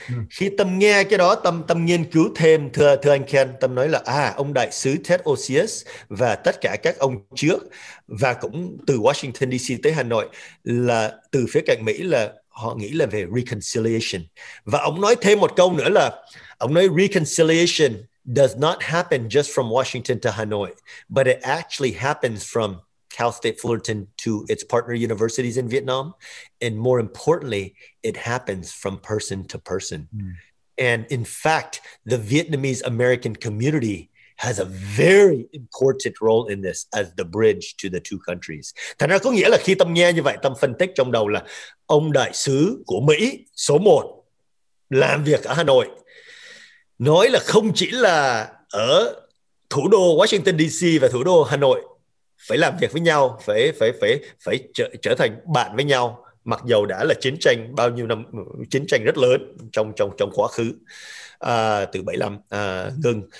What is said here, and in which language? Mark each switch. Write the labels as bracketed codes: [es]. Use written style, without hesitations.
[vi] Khi Tâm nghe cái đó, Tâm Tâm nghiên cứu thêm, thưa anh Ken, Tâm nói là ông đại sứ Ted Osius và tất cả các ông trước và cũng từ Washington DC tới Hà Nội là từ phía cạnh Mỹ là họ nghĩ là về reconciliation. Và ông nói thêm một câu nữa là ông nói reconciliation [en] does not happen just from Washington to Hanoi, but it actually happens from Cal State Fullerton to its partner universities in Vietnam. And more importantly, it happens from person to person. Mm. And in fact, the Vietnamese American community has a very important role in this as the bridge to the two countries. [vi] Thành ra có nghĩa là khi Tâm nghe như vậy, Tâm phân tích trong đầu là ông đại sứ của Mỹ số 1 làm việc ở Hà Nội. Nói là không chỉ là ở thủ đô Washington DC và thủ đô Hà Nội phải làm việc với nhau, phải trở thành bạn với nhau, mặc dù đã là chiến tranh bao nhiêu năm, chiến tranh rất lớn trong trong trong quá khứ, từ 75 ngừng.